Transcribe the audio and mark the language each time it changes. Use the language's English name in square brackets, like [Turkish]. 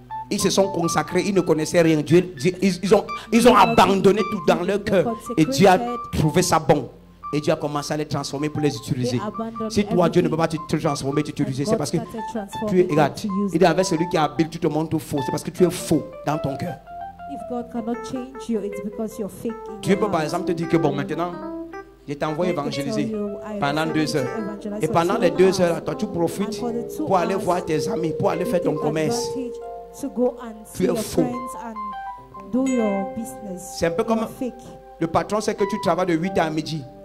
[French] Ils se sont consacrés, ils ne connaissaient rien. Dieu, ils ont abandonné tout dans leur cœur. Et Dieu a trouvé ça bon. Et Dieu a commencé à les transformer pour les utiliser. Si toi, Dieu ne peut pas te transformer, t'utiliser, c'est parce que tu es égal. Il est avec celui qui est habile, tu te montres faux. C'est parce que tu es faux dans ton cœur. [English] If God cannot change you, it's because you're fake. [French] Dieu peut par exemple te dire que bon, maintenant, je t'envoie évangéliser pendant 2 heures. Et pendant les 2 heures, toi, tu profites pour aller voir tes amis, pour aller faire ton commerce. Tu es faux. [English] And do your business. [French] C'est un peu comme le patron sait que tu travailles de 8 heures à midi.